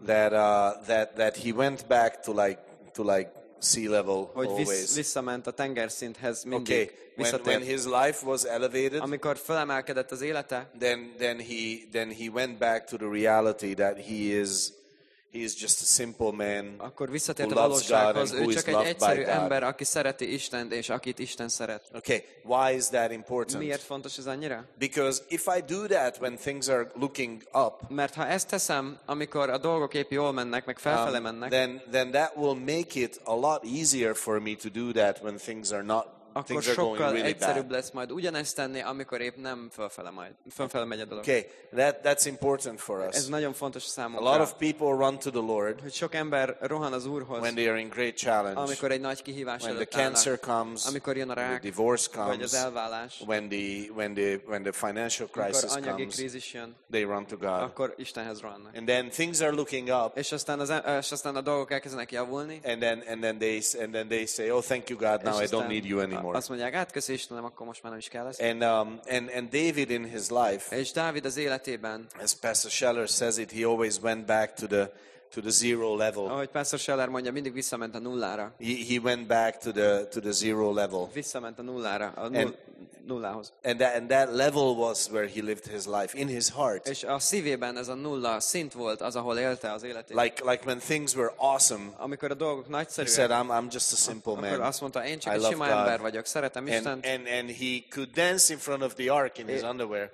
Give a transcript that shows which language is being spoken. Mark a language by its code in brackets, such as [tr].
[en] That he went back to like sea level [hu] hogy [en] always. [hu] Visszament a tengerszinthez mindig. [en] Okay. When his life was elevated. [hu] Amikor felemelkedett az élete. [en] Then he went back to the reality that he is just a simple man. [hu] Akkor visszatért a valósághoz, ő csak egy egyszerű ember, aki szereti Istent és akit Isten szeret. [en] Okay, why is that important? [hu] Miért fontos ez annyira? [en] Because if I do that when things are looking up. [hu] Mert ha ezt teszem, amikor a dolgok épp jól mennek, meg felfele mennek. [en] Then that will make it a lot easier for me to do that when things are not [hu] akkor sokkal egyszerűbb lesz majd ugyanezt tenni, amikor épp nem fölfele megy a dolog. [en] Okay, that's important for us. [hu] Ez nagyon fontos számunkra. [en] A lot of people run to the Lord. [hu] Hogy sok ember rohan az Úrhoz. [en] When they are in great challenge. [hu] Amikor egy nagy kihívás előtt állnak. [en] When the cancer comes. [hu] Amikor jön a rák. [en] When the divorce comes. [hu] Vagy az elválás. [en] When the financial crisis comes. [hu] Amikor anyagi krízis jön. [en] They run to God. [hu] Akkor Istenhez rohannak. [en] And then things are looking up. [hu] És aztán a dolgok elkezdenek javulni. [en] And then they say, oh, thank you God, now I don't need you anymore. [hu] Azt mondják, hát köszi Istenem, akkor most már nem is kell ezt. [en] And David in his life. [hu] És Dávid az életében. [en] As Pastor Scheller says it, he always went back to the zero level. [hu] Ahogy Pastor Scheller mondja, mindig visszament a nullára. [en] He went back to the zero level. [hu] Visszament a nullára, nullához. [en] And that level was where he lived his life in his heart. [hu] És a szívében ez a nulla szint volt, az ahol élte az életét. [en] Like when things were awesome. [hu] Amikor a dolgok nagyszerűek. [en] He said, I'm just a simple man. [hu] Akkor azt mondta, én csak egy sima ember vagyok, szeretem Istent. [en] And he could dance in front of the ark in his underwear.